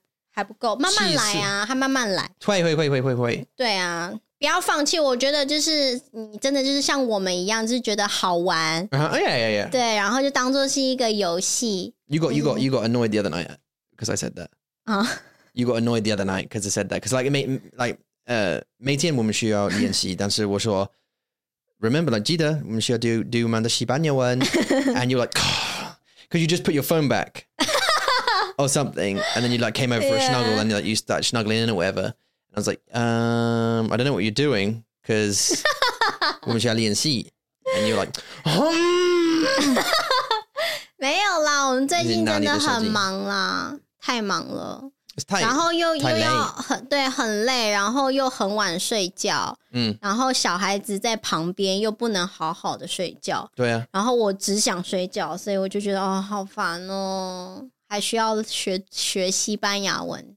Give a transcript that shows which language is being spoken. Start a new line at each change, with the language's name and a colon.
Chinese: 还不够，慢慢来啊，还慢慢来，会，对啊，不要放弃，我觉得就是你真的就是像我们一样，就是觉得好玩、
English: yeah.
Chinese: 对，然后就当作是一个游戏。
English: You got annoyed the other night because I said that、You got annoyed the other night because I said that, because like, like
Chinese: 每天我们需要练习，但是我说
English: Remember, like,
Chinese: 记得我们需要
English: do
Chinese: 我们的西班牙文
English: and you're like, because you just put your phone back or something, and then you like came over for a snuggle and like, you start snuggling in or whatever. And I was like, I don't know what you're doing because
Chinese: 我们需要练习
English: and you're like,
Chinese: 没有啦，我们最近真的很忙啦，太忙了。然后又要很对很累，然后又很晚睡觉，然后小孩子在旁边又不能好好的睡觉，对啊，然后我只想睡觉，所以我就觉得哦好烦哦，还需要学西班牙文，